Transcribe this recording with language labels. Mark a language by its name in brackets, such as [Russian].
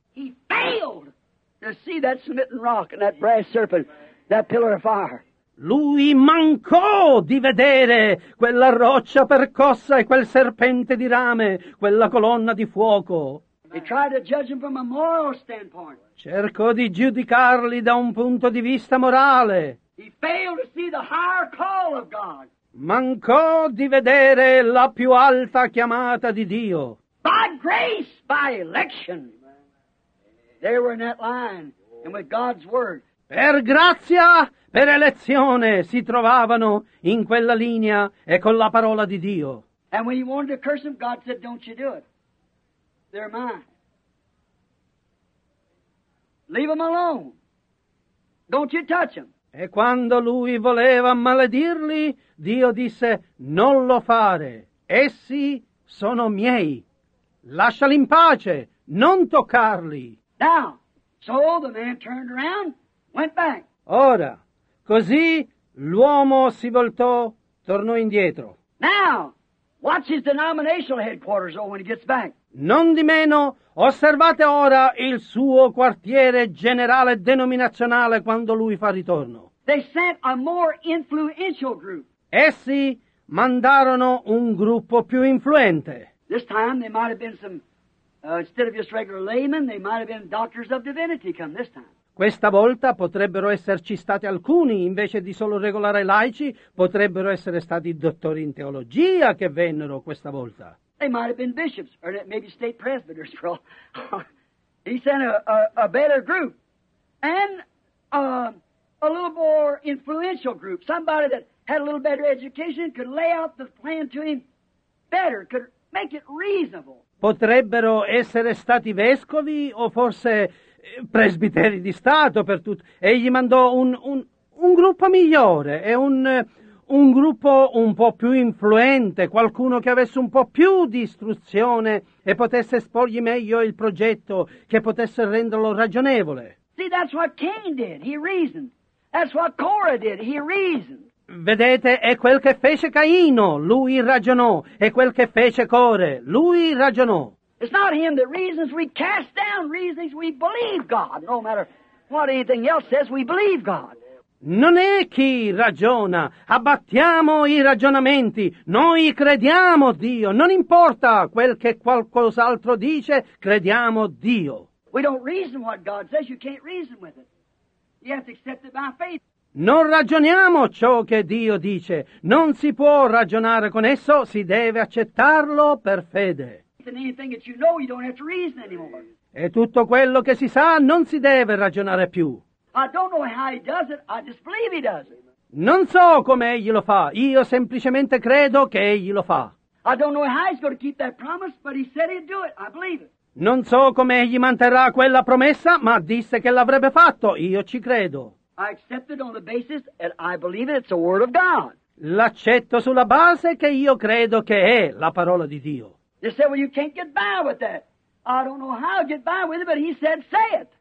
[English] He failed! You see that smitten rock and that brass serpent, that pillar of fire. [Italian] Lui mancò di vedere quella roccia percossa e quel serpente di rame, quella colonna di fuoco. [English] He tried to judge him from a moral standpoint. [Italian] Cercò di giudicarli da un punto di vista morale. [English] He failed to see the higher call of God. [Italian] Mancò di vedere la più alta chiamata di Dio. [English] By grace, by election. They were in that line, and with God's word. [Italian] Per grazia, per elezione, si trovavano in quella linea e con la parola di Dio. [English] And when he wanted to curse him, God said, don't you do it. They're mine. Leave them alone. Don't you touch them. [Italian] E quando lui voleva maledirli, Dio disse, non lo fare. Essi sono miei. Lasciali in pace. Non toccarli. [English] Now, so the man turned around, went back. [Italian] Ora, così l'uomo si voltò, tornò indietro. [English] Now, watch his denominational headquarters though, when he gets back. [Italian] Non di meno, osservate ora il suo quartiere generale denominazionale quando lui fa ritorno. [English] They sent a more influential group. [Italian] Essi mandarono un gruppo più influente. [English] This time they might have been some, instead of just regular laymen, they might have been doctors of divinity come this time. [Italian] Questa volta potrebbero esserci stati alcuni, invece di solo regolare laici, potrebbero essere stati dottori in teologia che vennero questa volta. [English] They might have been bishops, or maybe state presbyters, for all. He sent a better group, and a little more influential group. Somebody that had a little better education could lay out the plan to him better, could make it reasonable. [Italian] Potrebbero essere stati vescovi, o forse presbiteri di Stato, per tutto. Egli mandò un gruppo migliore, e un gruppo un po' più influente, qualcuno che avesse un po' più di istruzione e potesse esporgli meglio il progetto, che potesse renderlo ragionevole. [English] See, that's what Cain did. He reasoned. That's what Korah did. He reasoned. [Italian] Vedete, è quel che fece Caino. Lui ragionò. È quel che fece Core. Lui ragionò. [English] It's not him that reasons. We cast down reasons. We believe God. No matter what anything else says, we believe God. [Italian] Non è chi ragiona, abbattiamo i ragionamenti, noi crediamo Dio, non importa quel che qualcos'altro dice, crediamo Dio. [English] We don't reason what God says, you can't reason with it. You have to accept it by faith. [Italian] Non ragioniamo ciò che Dio dice, non si può ragionare con esso, si deve accettarlo per fede. [English] Anything that you know, you don't have to reason anymore. [Italian] E tutto quello che si sa non si deve ragionare più. [English] I don't know how he does it, I just believe he does it. [Italian] Non so come egli lo fa, io semplicemente credo che egli lo fa. [English] I don't know how he's going to keep that promise, but he said he'd do it, I believe it. [Italian] Non so come egli manterrà quella promessa, ma disse che l'avrebbe fatto, io ci credo. [English] I accept it on the basis that I believe it, it's the word of God. [Italian] L'accetto sulla base che io credo che è la parola di Dio. [English] They said, well, you can't get by with that. I don't know how to get by with it, but he said, say it.